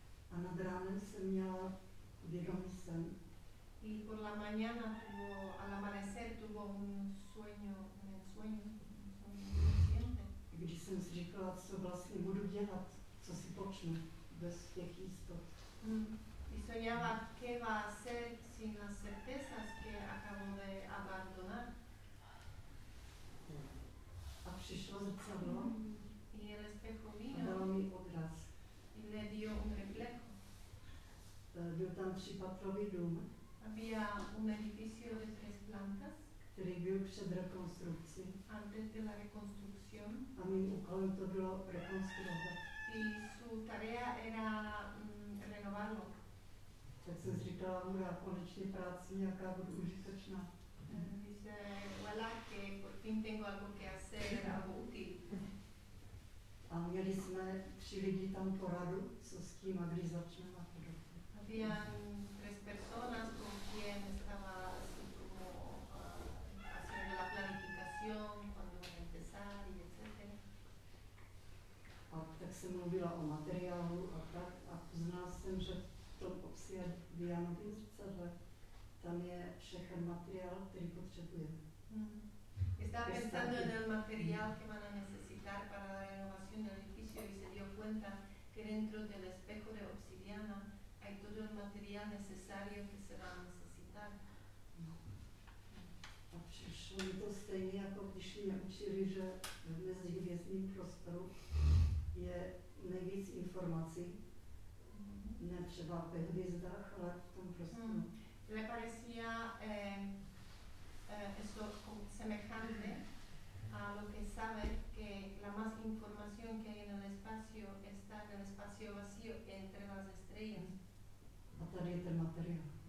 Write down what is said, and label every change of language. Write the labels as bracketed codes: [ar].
[cs] A nad ránem jsem měla vědomý sen. [es] Y por la mañana, tuvo, al amanecer, tuvo un sueño consciente. [cs] Když jsem si říkala, co vlastně budu dělat, co si počnu bez těch jistot. Mm. [es] Y soñaba qué va a hacer sin las certezas que acabo de abandonar. [cs] A přišlo zrcadlo. [es] Y el espejo vino. [cs] A dalo mi odraz. [es] Y le dio un reflejo. [cs] Byl tam třípatrový dům. [es] Había un edificio de tres plantas. [cs] Který byl před rekonstrukcí. [es] Antes de la reconstrucción. [cs] A mým úkolem to bylo rekonstruovat. [es] Y su tarea era renovarlo. [cs] Tak jsem si říkala, že já konečně práci nějaká budu užitečná. [es] Dice, voilà, que por fin tengo algo que hacer, algo útil. [cs] A měli jsme tři lidi tam poradu, co s tím a kdy začneme. [es] Habían tres personas con quien estaba así como haciendo la planificación, cuando van a empezar y etc. [cs] A tak jsem mluvila o materiálu a tak, a poznal jsem, že v tom obsi je Dianovým zrcadle, tam je všechen materiál, který potřebujeme. Mm-hmm. [es] Estaba pensando en el material que van a necesitar para la renovación del edificio y se dio cuenta que dentro del espejo de obsidiana hay todo el material necesario que se va a necesitar. [cs] A přišlo mi to stejně, jako když mě učili, že v mezihvězdním prostoru je nejvíc informací, ne třeba ve hvězdách, ale v tom prostoru. Hmm. [es] Le parecía esto semejante a lo que sabe que la más información que hay en el espacio está en el espacio vacío entre las estrellas. [cs] A tady je ten materiál.